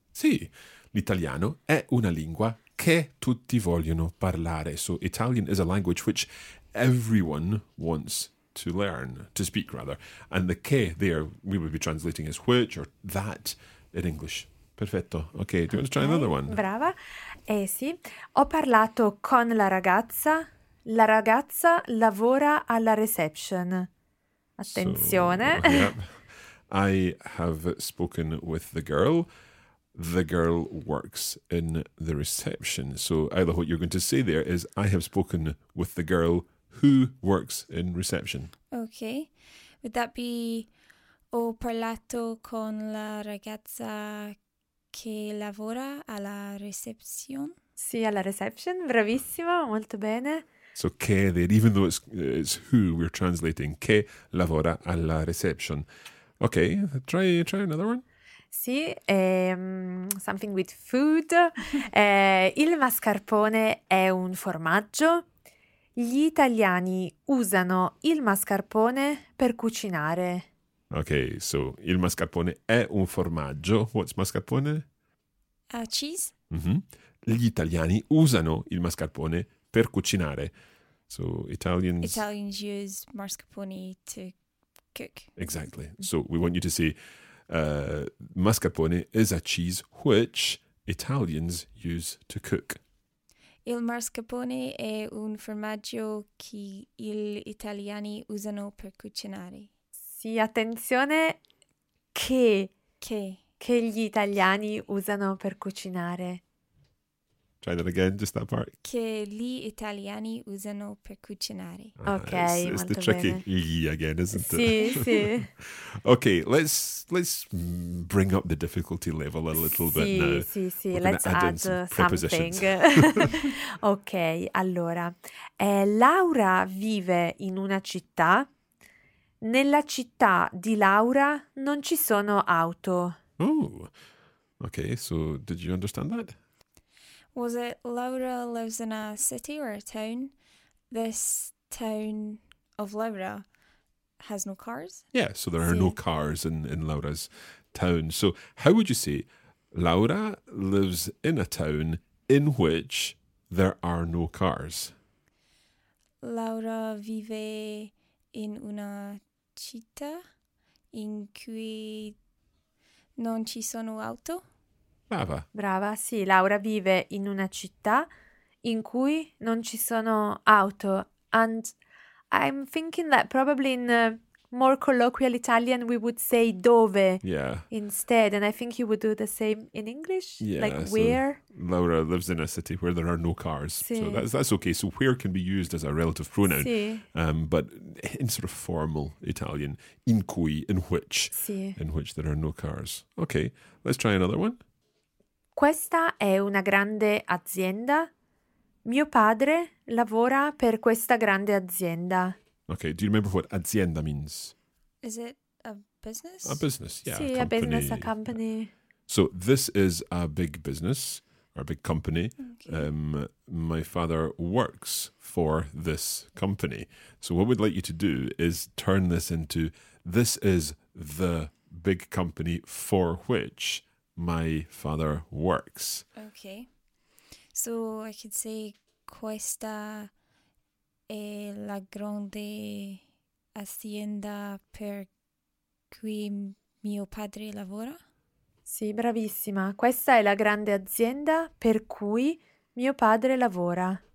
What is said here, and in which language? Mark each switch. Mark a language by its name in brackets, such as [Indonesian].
[Italian] Sì, l'italiano è una lingua che tutti vogliono parlare. [English] So Italian is a language which everyone wants to learn, to speak rather. And the che there, we would be translating as which or that in English. Perfetto. Okay, do you want to try another one? [Italian] Brava. Sì. Ho parlato con la ragazza. La ragazza lavora alla reception. Attenzione. [English] So, yeah. I have spoken with the girl. The girl works in the reception. So, Ayla, what you're going to say there is, I have spoken with the girl who works in reception. Okay. Would that be, [Italian] ho parlato con la ragazza che lavora alla reception? Sì, alla reception. Bravissimo. Molto bene. [English] So, che there, even though it's who we're translating, [Italian] che lavora alla reception. [English] Okay. Try another one. Sì. Something with food. [Italian] il mascarpone è un formaggio. Gli italiani usano il mascarpone per cucinare. Ok, so il mascarpone è un formaggio. [English] What's mascarpone? Cheese. Mm-hmm. [Italian] Gli italiani usano il mascarpone per cucinare. [English] So Italians use mascarpone to cook. Exactly. So we want you to say mascarpone is a cheese which Italians use to cook. [Italian] Il mascarpone è un formaggio che gli italiani usano per cucinare. Sì, attenzione, che gli italiani usano per cucinare. [English] Try that again, just that part. [Italian] Che gli italiani usano per cucinare. [English] Ok, it's [Italian] molto [English] bene. It's the tricky gli again, isn't it? [Italian] Sì, sì. [English] Ok, let's bring up the difficulty level a little bit now. Sì, sì, let's add something. Ok, allora. [Italian] Laura vive in una città. Nella città di Laura non ci sono auto. [English] Oh, ok, so did you understand that? Was it Laura lives in a city or a town? This town of Laura has no cars? Yeah, so there are no cars in Laura's town. So how would you say Laura lives in a town in which there are no cars? [Italian] Laura vive in una città in cui non ci sono auto. Brava. Brava, sì. Laura vive in una città in cui non ci sono auto. [English] And I'm thinking that probably in more colloquial Italian we would say dove instead. And I think you would do the same in English, like where. So Laura lives in a city where there are no cars. [Italian] Sì. [English] So that's okay. So where can be used as a relative pronoun. [Italian] Sì. [English] But in sort of formal Italian, in cui, in which. [Italian] Sì. [English] In which there are no cars. Okay, let's try another one. [Italian] Questa è una grande azienda. Mio padre lavora per questa grande azienda. [English] Okay, do you remember what azienda means? Is it a business? A business, yeah. Sì, a business, a company. So this is a big business or a big company. Okay. My father works for this company. So what we'd like you to do is turn this into this is the big company for which my father works. Okay. So I could say [Italian] questa è la grande azienda per cui mio padre lavora. Sì, bravissima. Questa è la grande azienda per cui mio padre lavora.